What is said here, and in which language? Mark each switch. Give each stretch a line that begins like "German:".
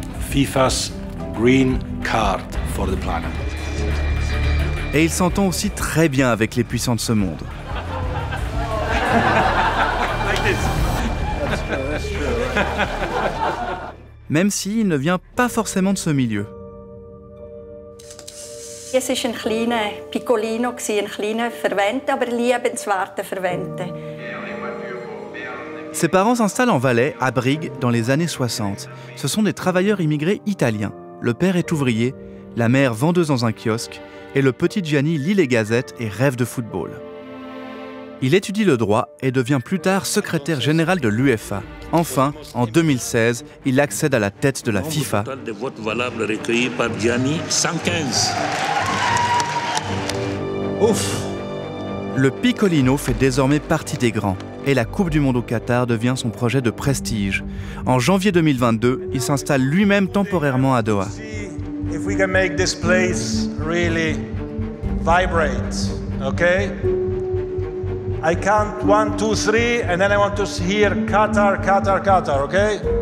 English: FIFA's green card for the planet.
French: Et il s'entend aussi très bien avec les puissants de ce monde.
English: Like this.
French: Même s'il ne vient pas forcément de ce milieu.
German: Es ist ein kleiner Piccolino, ein kleiner Verwandter, aber liebenswerter Verwandter.
French: Ses parents s'installent en Valais, à Brigue, dans les années 60. Ce sont des travailleurs immigrés italiens. Le père est ouvrier, la mère vendeuse dans un kiosque, et le petit Gianni lit les gazettes et rêve de football. Il étudie le droit et devient plus tard secrétaire général de l'UEFA. Enfin, en 2016, il accède à la tête de la FIFA. Le total de votes valables recueillis par Gianni, 115. Ouf ! Le Piccolino fait désormais partie des grands et la Coupe du Monde au Qatar devient son projet de prestige. En janvier 2022, il s'installe lui-même temporairement à Doha. Si nous pouvons faire ce lieu vraiment vibrer, ok ?
English: I count 1, 2, 3, and then I want to hear Qatar, Qatar, Qatar, okay?